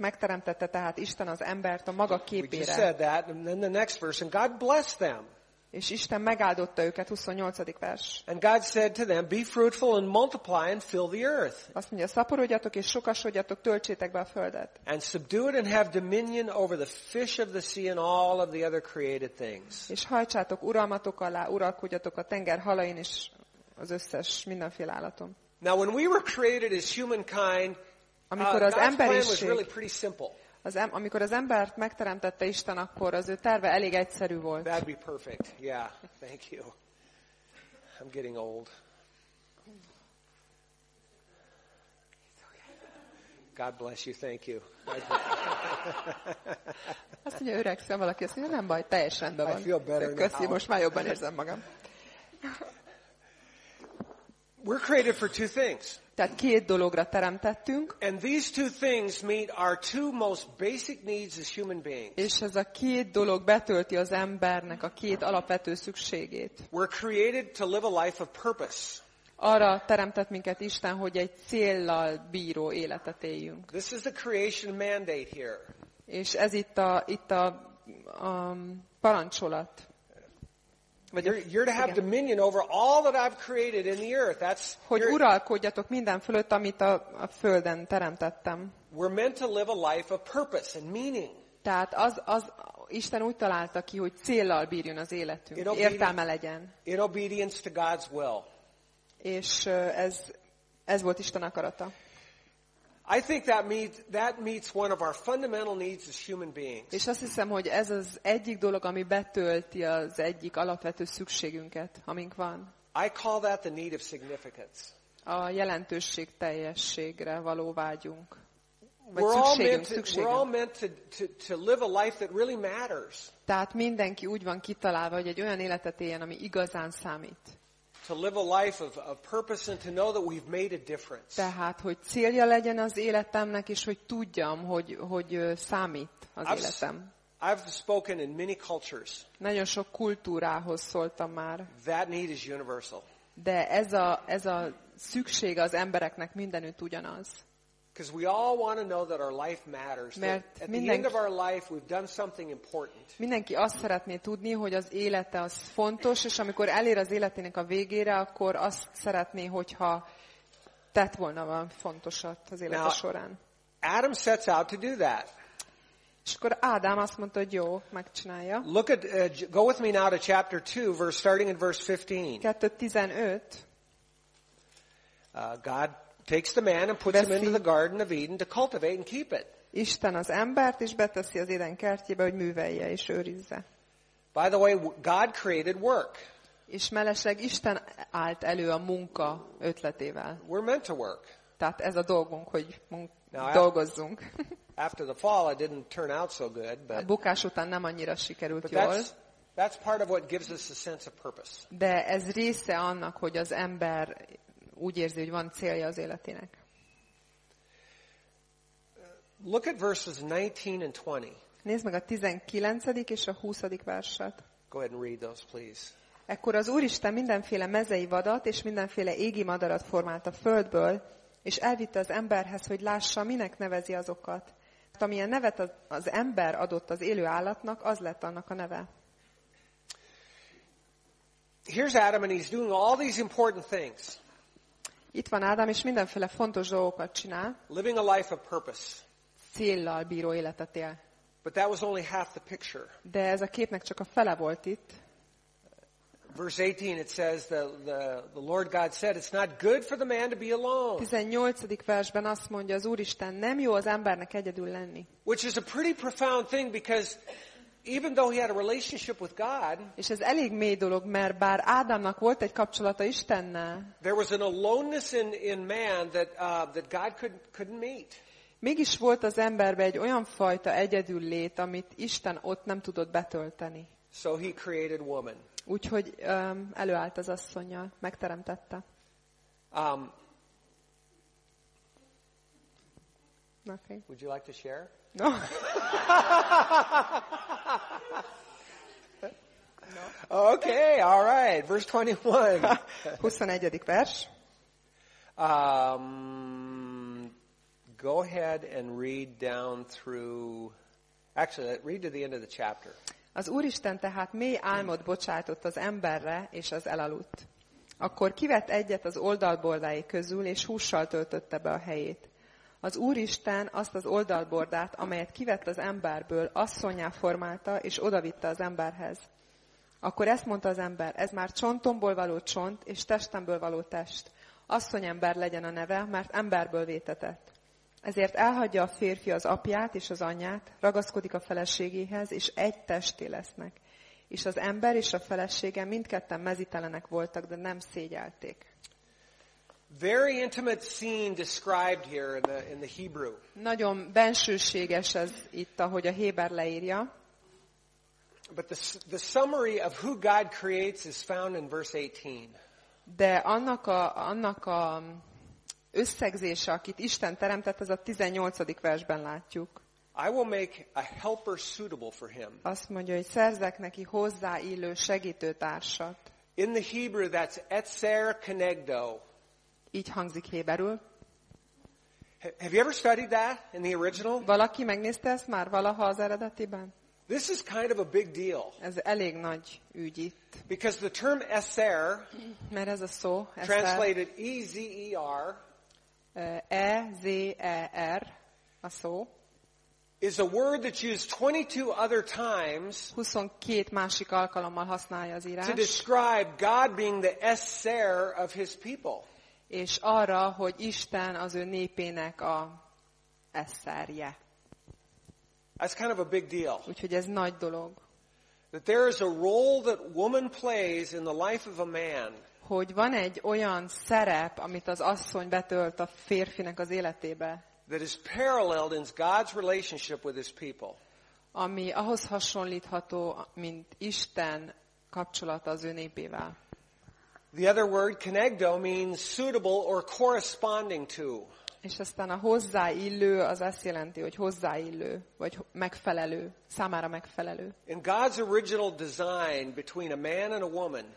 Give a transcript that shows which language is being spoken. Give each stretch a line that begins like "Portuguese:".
Hungarian: Megteremtette tehát Isten az embert a maga képére.
English: We just said that, and then the next verse, and God blessed them.
Hungarian: És Isten megáldotta őket, 28. vers.
English: And God said to them, be fruitful and multiply and fill the earth.
Hungarian: Azt mondja, szaporodjatok és sokasodjatok, töltsétek be a földet.
English: And subdue it and have dominion over the fish of the sea and all of the other created things.
Hungarian: És hajtsátok uralmatok alá, uralkodjatok a tenger halain és az összes mindenféle állaton.
English: Now when we were created as humankind,
Hungarian: amikor az emberiség,
English: God's plan was really pretty simple.
Hungarian: Amikor az embert megteremtette Isten, akkor az ő terve elég egyszerű volt.
English: That'd be perfect. Yeah, thank you. I'm getting old. God bless you, thank you.
Hungarian: Azt mondja, öregszem valaki, azt mondja, nem baj, teljes rendben van.
English: I feel better now.
Hungarian: Köszi, most már jobban érzem magam.
English: We're created for two things.
Hungarian: Tehát két dologra teremtettünk.
English: And these two things meet our two most basic needs as human beings.
Hungarian: És ez a két dolog betölti az embernek a két alapvető szükségét.
English: We're created to live a life of purpose.
Hungarian: Arra teremtett minket Isten, hogy egy céllal bíró életet éljünk.
English: This is the creation mandate here.
Hungarian: És ez itt a parancsolat.
English: You're to have dominion over all that I've created in the earth. That's
Hungarian: hogy uralkodjatok minden fölött, amit a földön teremtettem.
English: We're meant to live a life of purpose and meaning.
Hungarian: Tehát az Isten úgy találta ki, hogy céllal bírjon az életünk, értelme legyen.
English: In obedience to God's will.
Hungarian: És ez volt Isten akarata.
English: I think that meets one of our fundamental needs as human beings.
Hungarian: És azt hiszem, hogy ez az egyik dolog, ami betölti az egyik alapvető szükségünket, amink van.
English: I call that the need of significance.
Hungarian: A jelentőség teljességre való vágyunk.
English: We're all meant to live a life that really matters.
Hungarian: Tehát mindenki úgy van kitalálva, hogy egy olyan életet éljen, ami igazán számít.
English: To live a life of purpose and to know that we've made a difference.
Hungarian: Tehát hogy célja legyen az életemnek, és hogy tudjam, hogy számít az életem.
English: I've spoken in many cultures.
Hungarian: Nagyon sok kultúrához szóltam már.
English: That need is universal.
Hungarian: De ez a szükség az embereknek mindenütt ugyanaz.
English: Because we all want to know that our life matters.
Hungarian: Mert
English: at the end of our life we've done something important.
Hungarian: Mindenki azt szeretné tudni, hogy az élete az fontos, és amikor elér az életének a végére, akkor azt szeretné, hogyha tett volna valami fontosat az élete során.
English: Adam sets out to do that.
Hungarian: És akkor Ádám azt mondta, hogy jó, megcsinálja.
English: Look at go with me now to chapter 2 verse starting in verse 15. God takes the man and puts him into the garden of Eden to cultivate and keep it.
Hungarian: Isten az embert is beteszi az Éden kertjébe, hogy művelje és őrizze.
English: By the way, God created work.
Hungarian: És mellesleg Isten állt elő a munka ötletével.
English: We're meant to work.
Hungarian: Tehát ez a dolgunk, hogy dolgozzunk.
English: After the fall, it didn't turn out so good, but
Hungarian: a bukás után nem annyira sikerült jól.
English: That's part of what gives us a sense of purpose.
Hungarian: De ez része annak, hogy az ember úgy érzi, hogy van célja az életének.
English: Look at verses 19 and 20.
Hungarian: Nézd meg a 19. és a 20. verset.
English: Go ahead and read those, please.
Hungarian: Ekkor az Úristen mindenféle mezei vadat és mindenféle égi madarat formált a földből, és elvitte az emberhez, hogy lássa, minek nevezi azokat. Amilyen nevet az ember adott az élő állatnak, az lett annak a neve.
English: Here's Adam and he's doing all these important things.
Hungarian: Itt van Ádám, és mindenféle fontos dolgokat csinál.
English: Living a life of purpose.
Hungarian: Céllal bíró életet él.
English: But that was only half the picture.
Hungarian: De ez a képnek csak a fele volt itt.
English: Verse 18 it says the Lord God said it's not good for the man to be alone.
Hungarian: 18. versben azt mondja az Úristen, nem jó az embernek egyedül lenni.
English: Which is a pretty profound thing because even though he had a relationship with God,
Hungarian: és ez elég mély dolog, mert bár Ádámnak volt egy kapcsolata Istennel,
English: there was an aloneness in man that God couldn't meet.
Hungarian: Mégis volt az emberben egy olyan fajta egyedül lét, amit Isten ott nem tudott betölteni.
English: So he created woman.
Hungarian: Úgyhogy előállt az asszonnyal, megteremtette.
English: Okay. Would you like to share? No. No. Okay, all right. Verse 21.
Hungarian: 21. vers.
English: Go ahead and read down through. Actually, read to the end of the chapter.
Hungarian: Az Úristen tehát mély álmot bocsátott az emberre, és az elaludt. Akkor kivett egyet az oldalbordái közül, és hússal töltötte be a helyét. Az Úristen azt az oldalbordát, amelyet kivett az emberből, asszonnyá formálta, és odavitte az emberhez. Akkor ezt mondta az ember, ez már csontomból való csont, és testemből való test. Asszonyember legyen a neve, mert emberből vétetett. Ezért elhagyja a férfi az apját és az anyját, ragaszkodik a feleségéhez, és egy testé lesznek. És az ember és a felesége mindketten mezítelenek voltak, de nem szégyelték.
English: Very intimate scene described here in the Hebrew.
Hungarian: Nagyon bensőséges ez itt, ahogy a héber leírja.
English: But the summary of who God creates is found in verse 18.
Hungarian: De annak a összegzése, akit Isten teremtett, az a 18. versben látjuk.
English: I will make a helper suitable for him.
Hungarian: Azt mondja, hogy szerzek neki hozzáillő segítőtársat.
English: In the Hebrew that's etzer kenegdo.
Hungarian: Így hangzik héberül.
English: Have you ever studied that in the original?
Hungarian: Valaki megnézte ezt már valaha az eredetiben?
English: This is kind of a big deal.
Hungarian: Ez elég nagy ügy itt.
English: Because the term eser,
Hungarian: mert ez a szó, eser,
English: translated E-Z-E-R,
Hungarian: E-Z-E-R, a szó,
English: is a word that's used 22 other times.
Hungarian: 22 másik alkalommal használja az írás.
English: To describe God being the eser of His people.
Hungarian: És arra, hogy Isten az ő népének a eszerje.
English: That's kind of a big deal.
Hungarian: Úgyhogy ez nagy dolog.
English: That there is a role that woman plays in the life of a man.
Hungarian: Hogy van egy olyan szerep, amit az asszony betölt a férfinek az életébe.
English: That is paralleled in God's relationship with His people.
Hungarian: Ami ahhoz hasonlítható, mint Isten kapcsolata az ő népével.
English: The other word, kenegdo, means suitable or corresponding to.
Hungarian: És aztán a hozzáillő az azt jelenti, hogy hozzáillő, vagy megfelelő, számára megfelelő.
English: In God's original design between a man and a woman.